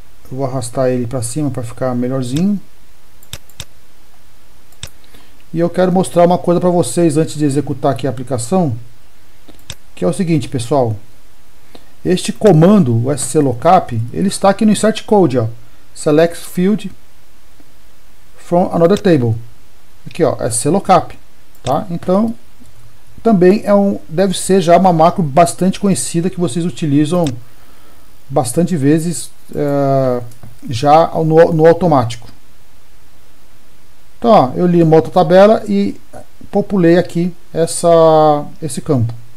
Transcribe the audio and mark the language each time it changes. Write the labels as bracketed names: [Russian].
[Portuguese] Eu vou arrastar ele para cima para ficar melhorzinho. E eu quero mostrar uma coisa para vocês antes de executar aqui a aplicação, que é o seguinte, pessoal. Este comando, o sclookup, ele está aqui no insert code, ó. [English] Select field from another table. [Portuguese] Aqui, ó, sclookup, tá? Então, também é um, deve ser já uma macro bastante conhecida que vocês utilizam bastante vezes já no automático. Então, ó, eu li uma outra tabela e populei aqui esse campo.